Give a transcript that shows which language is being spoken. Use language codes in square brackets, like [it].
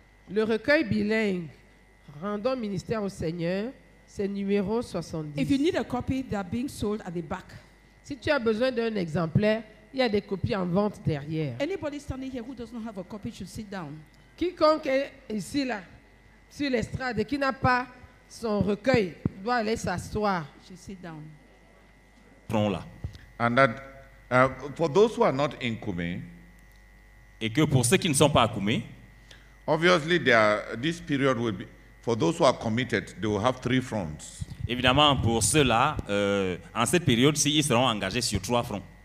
[fr] Le recueil bilingue, rendons ministère au Seigneur, c'est numéro 70. [en] If you need a copy, they are being sold at the back. [fr] Si tu as besoin d'un exemplaire, il y a des copies en vente derrière. [en] Anybody standing here who does not have a copy should sit down. [fr] Quiconque est ici là. Sur l'estrade et qui n'a pas son recueil doit aller s'asseoir. [en] She sit down. [fr] Prends là. [en] And that, for those who are not in Kume, [fr] et que pour ceux qui ne sont pas à Kume, [en] obviously this period will be For those who are committed, they will have three fronts. [fr] Évidemment, pour ceux-là, en cette période, ils seront engagés sur trois fronts.